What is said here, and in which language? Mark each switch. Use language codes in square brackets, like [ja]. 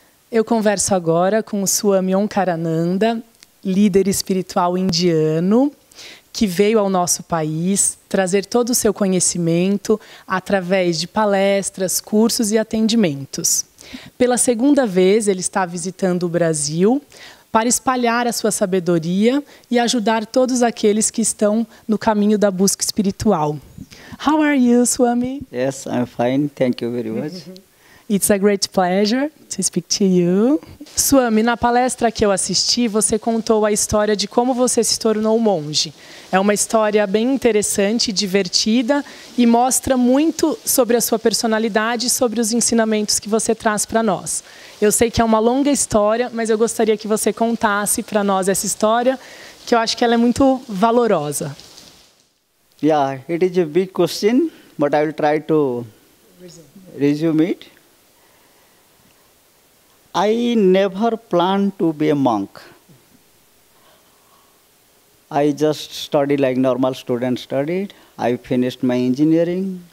[pt] Eu converso agora com o Swami Omkarananda, líder espiritual indiano, que veio ao nosso país trazer todo o seu conhecimento através de palestras, cursos e atendimentos. Pela segunda vez, ele está visitando o Brasil para espalhar a sua sabedoria e ajudar todos aqueles que estão no caminho da busca espiritual. [en] How are you, Swami? Yes, I'm fine. Thank you very much. It's a great pleasure to speak to you. [pt] Swami, na palestra que eu assisti, você contou a história de como você se tornou monge. É uma história bem interessante, divertida e mostra muito sobre a sua personalidade e sobre os ensinamentos que você traz para nós. Eu sei que é uma longa história, mas eu gostaria que você contasse para nós essa história, que eu acho que ela é muito valorosa. [en] Yeah, it is a big question, but I will try to resume it. I never planned to be a monk. I just studied like normal student studied. I finished my engineering.